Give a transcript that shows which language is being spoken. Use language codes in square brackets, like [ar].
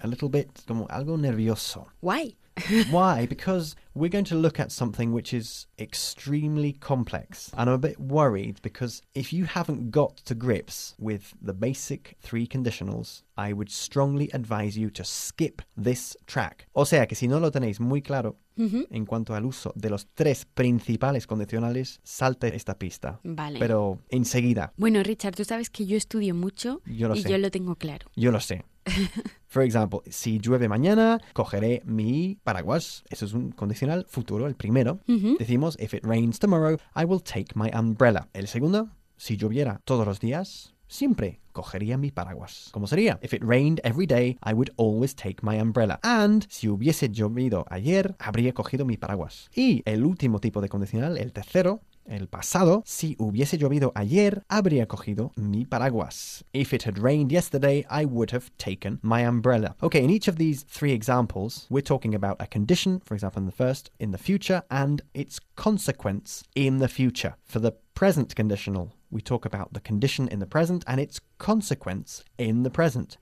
[en] A little bit, [es] como algo nervioso. [en] Why? Why? Because we're going to look at something which is extremely complex. And I'm a bit worried because if you haven't got to grips with the basic three conditionals, I would strongly advise you to skip this track. [es] O sea, que si no lo tenéis muy claro en cuanto al uso de los tres principales condicionales, salte esta pista. Vale. Pero enseguida. Bueno, Richard, tú sabes que yo estudio mucho yo lo y sé. Yo lo tengo claro. Yo lo sé. [en] For example, [es] si llueve mañana, cogeré mi paraguas. Eso es un condicional futuro, el primero. Decimos, [en] if it rains tomorrow, I will take my umbrella. [es] El segundo, si lloviera todos los días, siempre cogería mi paraguas. ¿Cómo sería? [en] If it rained every day, I would always take my umbrella. And [es] si hubiese llovido ayer, habría cogido mi paraguas. Y el último tipo de condicional, el tercero, el pasado, si hubiese llovido ayer, habría cogido mi paraguas. [en] If it had rained yesterday, I would have taken my umbrella. Okay, in each of these three examples, we're talking about a condition, for example, in the first, in the future, and its consequence in the future. For the present conditional, we talk about the condition in the present and its consequence in the present.